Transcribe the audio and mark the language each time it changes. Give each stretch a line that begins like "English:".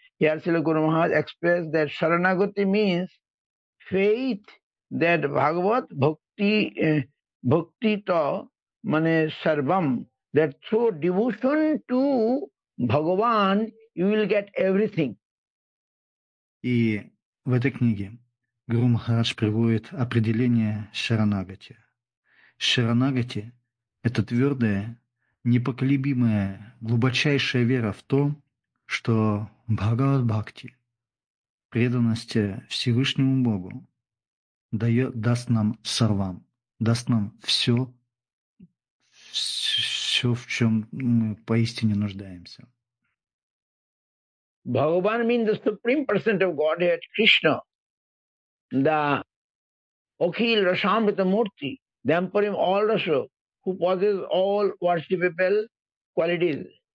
English: Here Srila Guru has expressed that Saranagati means faith that
Sanskrit: Bhagavad Bhakti Bhakti to Mane Sarvam,
English: that through devotion to Bhagavan, you will get everything.
Russian: И в этой книге Гуру Махарадж приводит определение Шаранагати. Шаранагати – это твердая, непоколебимая, глубочайшая вера в то, что Бхагават Бхакти, преданность Всевышнему Богу, даст нам сарвам, даст нам все, все, в чем мы поистине нуждаемся.
English: Bhagavan means the Supreme Person of Godhead, Krishna, the Akhil Rasamrita Murti, the Emperor of all Rasa, who possesses all worshipable qualities.